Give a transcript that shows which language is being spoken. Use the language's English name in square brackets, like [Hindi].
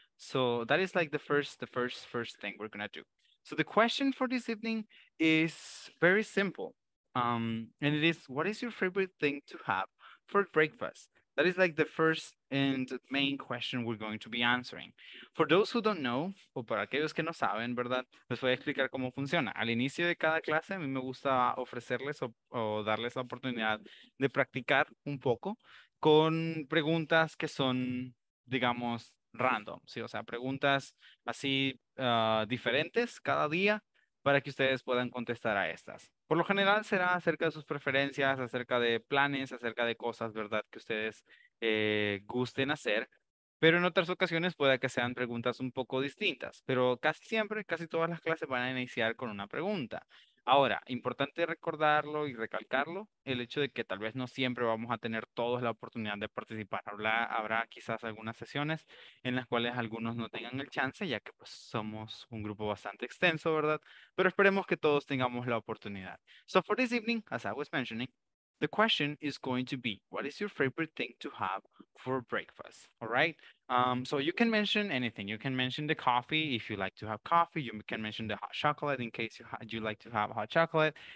[English] So that is like the first thing we're going to do. So the question for this evening is very simple. And it is, what is your favorite thing to have for breakfast? That is like the first and main question we're going to be answering. For those who don't know, [Spanish] o para aquellos que no saben, ¿verdad? Les voy a explicar cómo funciona. Al inicio de cada clase, a mí me gusta ofrecerles o darles la oportunidad de practicar un poco con preguntas que son, digamos, random, ¿sí? O sea, preguntas así diferentes cada día para que ustedes puedan contestar a estas. Por lo general será acerca de sus preferencias, acerca de planes, acerca de cosas, ¿verdad?, que ustedes gusten hacer. Pero en otras ocasiones puede que sean preguntas un poco distintas. Pero casi siempre, casi todas las clases van a iniciar con una pregunta. Ahora, importante recordarlo y recalcarlo, el hecho de que tal vez no siempre vamos a tener todos la oportunidad de participar. Habrá quizás algunas sesiones en las cuales algunos no tengan el chance, ya que pues somos un grupo bastante extenso, ¿verdad? Pero esperemos que todos tengamos la oportunidad. [English] So for this evening, as I was mentioning, the question is going to be, what is your favorite thing to have for breakfast? All right? So you can mention anything. You can mention the coffee if you like to have coffee. You can mention the hot chocolate in case you like to have hot chocolate.